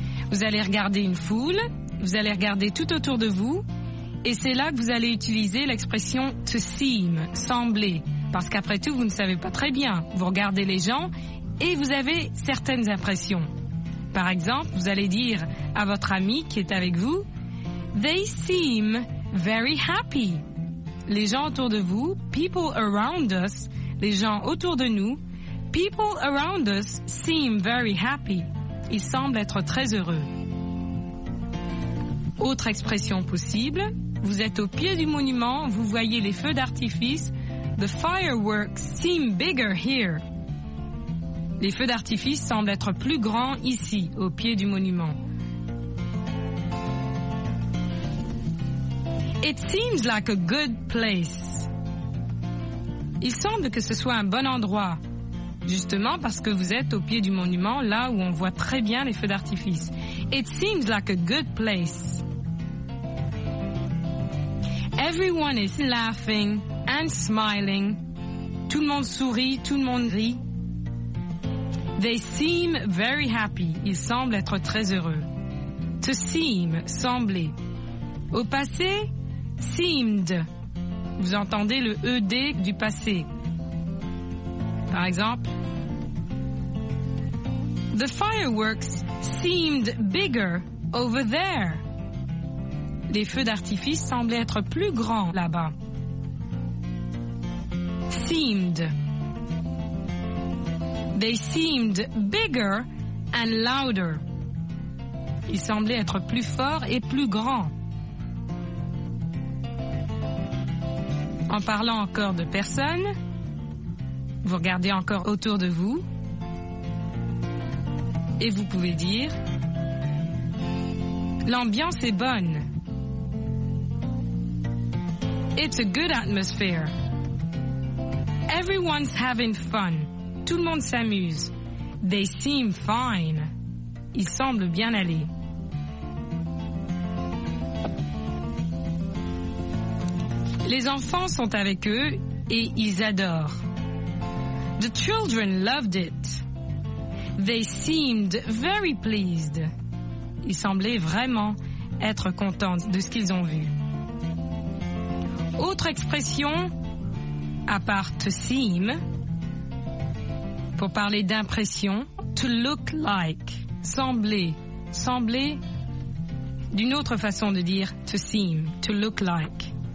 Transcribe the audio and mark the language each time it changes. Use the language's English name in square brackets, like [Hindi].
[French] Vous allez regarder une foule, vous allez regarder tout autour de vous, et c'est là que vous allez utiliser l'expression to seem, sembler, parce qu'après tout, vous ne savez pas très bien. Vous regardez les gens et vous avez certaines impressions. Par exemple, vous allez dire à votre ami qui est avec vous, [English] they seem very happy. [French] Les gens autour de vous, [English] people around us, [French] les gens autour de nous, [English] people around us seem very happy. [French] Ils semblent être très heureux. Autre expression possible, vous êtes au pied du monument, vous voyez les feux d'artifice, [English] the fireworks seem bigger here. [French] Les feux d'artifice semblent être plus grands ici, au pied du monument. [English] It seems like a good place. [French] Il semble que ce soit un bon endroit, justement parce que vous êtes au pied du monument, là où on voit très bien les feux d'artifice. [English] It seems like a good place. Everyone is laughing and smiling. [French] Tout le monde sourit, tout le monde rit. [English] They seem very happy. [French] Ils semblent être très heureux. To seem, sembler. Au passé, seemed. Vous entendez le ED du passé. Par exemple, [English] the fireworks seemed bigger over there. [French] Les feux d'artifice semblaient être plus grands là-bas. [English] Seemed. They seemed bigger and louder. [French] Ils semblaient être plus forts et plus grands. En parlant encore de personnes, vous regardez encore autour de vous et vous pouvez dire l'ambiance est bonne. [English] It's a good atmosphere. Everyone's having fun. [French] Tout le monde s'amuse. [English] They seem fine. [French] Ils semblent bien aller. Les enfants sont avec eux et ils adorent. [English] The children loved it. They seemed very pleased. [French] Ils semblaient vraiment être contents de ce qu'ils ont vu. Autre expression, à part to seem, pour parler d'impression, to look like, sembler, sembler, d'une autre façon de dire to seem, to look like.